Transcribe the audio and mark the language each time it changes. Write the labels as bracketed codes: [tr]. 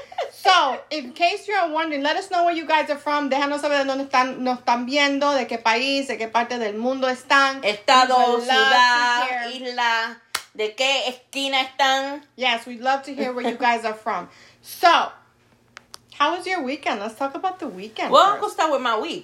[en] So, in case you're wondering, let us know where you guys are from. [es] Déjanos saber de dónde están, nos están viendo, de qué país, de qué parte del mundo están. Estado, ciudad, isla, de qué esquina están. [en] Yes, we'd love to hear where you guys are from. So. How was your weekend? Let's talk about the weekend. Well, I'm going to start with my week.